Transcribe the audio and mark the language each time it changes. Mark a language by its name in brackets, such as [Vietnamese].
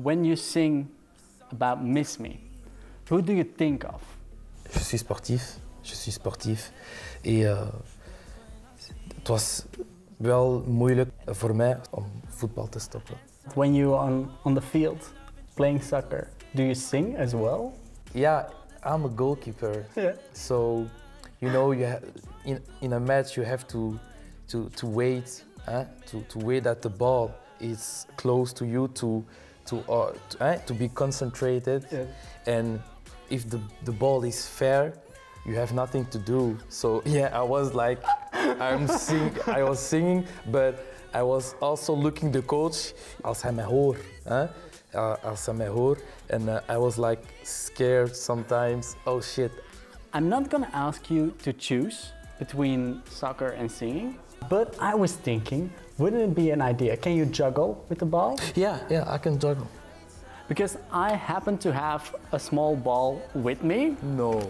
[English] When you sing about Miss Me, who do you think of? [French] Je suis sportif. [Dutch] Et het was wel moeilijk voor mij om voetbal te stoppen. [English] When you are on the field playing soccer, do you sing as well? Yeah, I'm a goalkeeper. Yeah. So, you know, in a match you have to wait, to wait that the ball is close to you to be concentrated, and if the ball is fair, you have nothing to do. So yeah, I was like, I was singing, but I was also looking the coach. [Dutch] Als hij mij hoort, als hij mij hoort, [English] and I was like scared sometimes. Oh shit. I'm not gonna ask you to choose between soccer and singing, but I was thinking, wouldn't it be an idea? Can you juggle with the ball? Yeah, I can juggle. Because I happen to have a small ball with me. No.